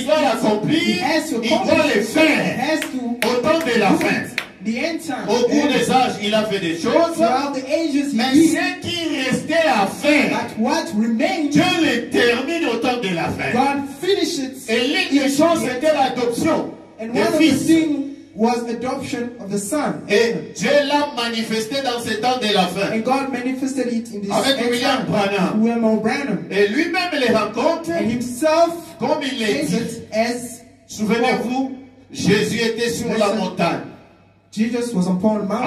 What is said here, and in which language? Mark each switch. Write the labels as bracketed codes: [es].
[fr] Il doit l'accomplir. [en] He has to accomplish. [fr] Il doit le faire. [en] He has to. [fr] Au temps de la fin. [en] The end time. [fr] Au cours des âges, il a fait des choses. [en] Throughout the ages, he [fr] mais ce qui restait à faire, [en] but what remained, [fr] Dieu le termine au temps de la fin. [en] God finish it. [fr] Et l'une des choses était l'adoption. [en] And one of the things was adoption of the son. [fr] Et Dieu l'a manifesté dans ce temps de la fin. [en] And God manifested it in this [fr] avec William Branham. [en] William Branham. [fr] Et lui-même les raconte. [en] And himself, [fr] comme il l'a dit, [en] as [fr] souvenez-vous, Jésus était sur la montagne. [en] Jesus was upon a mountain